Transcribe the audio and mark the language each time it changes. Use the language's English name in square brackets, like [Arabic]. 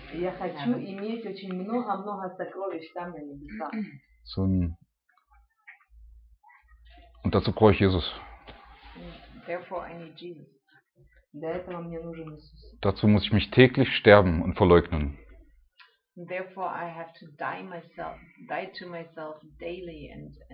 [Russian] Я хочу иметь очень много-много сокровищ там, на небесах. [German] Und dazu brauche ich Jesus. [English] Therefore I need Jesus. [Russian] Для этого мне нужен Иисус. [German] Dazu muss ich mich täglich sterben und verleugnen. [English] Therefore I have to die to myself daily and